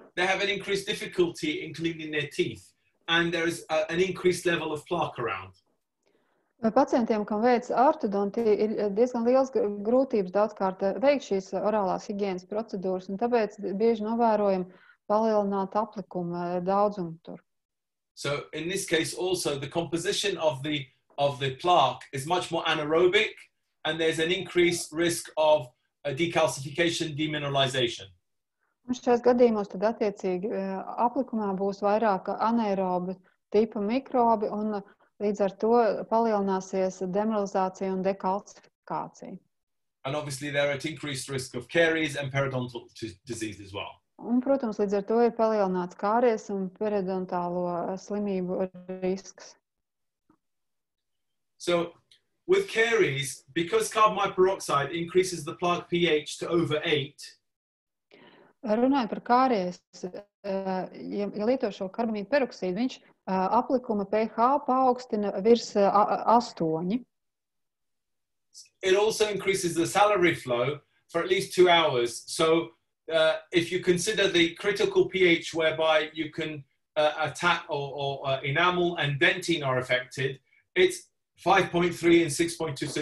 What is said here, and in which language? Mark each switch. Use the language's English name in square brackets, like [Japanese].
[English] they have an increased difficulty in cleaning their teeth, and there is an increased level of plaque around. [Latvian] Pacientiem, kam veic ortodontiju, ir diezgan liels grūtības daudzkārt veikt šīs orālās higiēnas procedūras, un tāpēc bieži novērojam palielināt aplikumu daudzumu tur. [English] So in this case also the composition of the plaque is much more anaerobic and there's an increased risk of a decalcification demineralization. [Latvian] Un šajās gadījumos tad attiecīgi aplikumā būs vairāk anaerobi tipa mikrobi un līdz ar to palielināsies demineralizācija un dekalcifikācija. [English] And obviously there are at increased risk of caries and periodontal disease as well. [Latvian] Un, protams, līdz ar to ir palielināts kāries un periodontālo slimību risks. [English] So, with caries, because carbamide peroxide increases the plaque pH to over 8, [Latvian] runājot par kāries, ja lieto šo karbamīda peroksīdu, viņš aplikuma pH paaugstina virs 8. [English] It also increases the salivary flow for at least 2 hours, so if you consider the critical pH whereby you can attack or enamel and dentine are affected, it's 5.3 and 6.2.